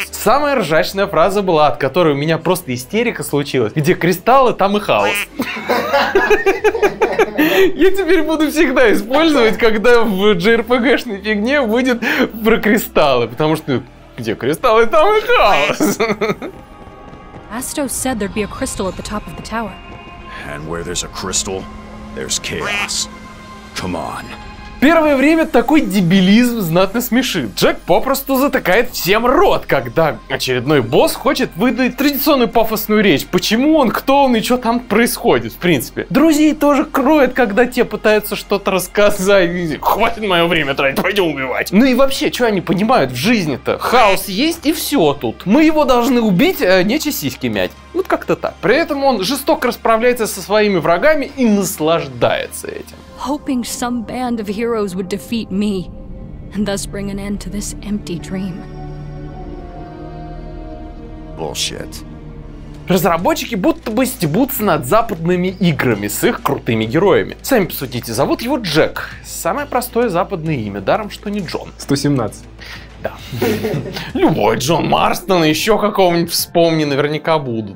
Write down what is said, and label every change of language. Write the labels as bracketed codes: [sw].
[ru] Самая ржачная фраза была, от которой у меня просто истерика случилась. Где кристаллы, там и хаос. Я теперь буду всегда использовать, когда в JRPG-шной фигне будет про кристаллы, потому что где кристаллы, там и хаос. [en] Astro said there'd be a crystal at the top of the tower. And where there's a crystal, there's chaos. Come on. [ru] Первое время такой дебилизм знатно смешит. Джек попросту затыкает всем рот, когда очередной босс хочет выдать традиционную пафосную речь. Почему он, кто он и что там происходит, в принципе. Друзей тоже кроет, когда те пытаются что-то рассказать. Хватит мое время тратить, пойдем убивать. Ну и вообще, что они понимают в жизни-то? Хаос есть и все тут. Мы его должны убить, а нечего сиськи мять. Вот как-то так. При этом он жестоко расправляется со своими врагами и наслаждается этим. [en] Hoping some band of heroes would defeat me, and thus bring an end to this empty dream. Bullshit. [ru] Разработчики будто бы стебутся над западными играми с их крутыми героями. Сами посудите, зовут его Джек. Самое простое западное имя, даром что не Джон. 117. Да. Любой Джон Марстон, еще какого-нибудь вспомни, наверняка будут.